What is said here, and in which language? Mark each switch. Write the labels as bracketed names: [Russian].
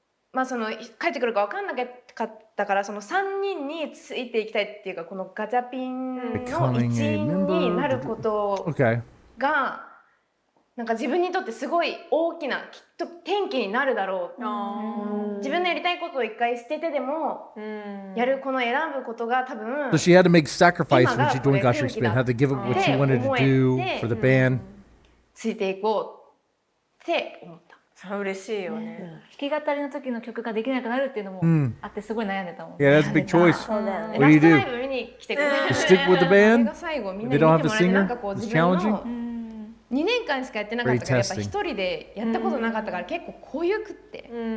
[Japanese] まあ、その帰ってくるか分かんなかったからその3人についていきたいっていうかこのガチャピンの一員になることがなんか自分にとってすごい大きなきっと転機になるだろう、うん、自分のやりたいことを一回捨ててでもやるこの選ぶことが多分今 [English] が So she had to make sacrifice when she joined GACHARIC SPIN had to give up what she wanted to do for the band、うん、 [Japanese] ついていこうって思った。嬉しいよね。弾き語りの時の曲ができなくなるっていうのもあってすごい悩んでたもん。 [English] Yeah, that's a big choice. What do you do? Stick with the band? They don't have a singer? It's challenging? [Japanese] 2年間しかやってなかったから、やっぱ1人でやったことなかったから結構濃ゆくって。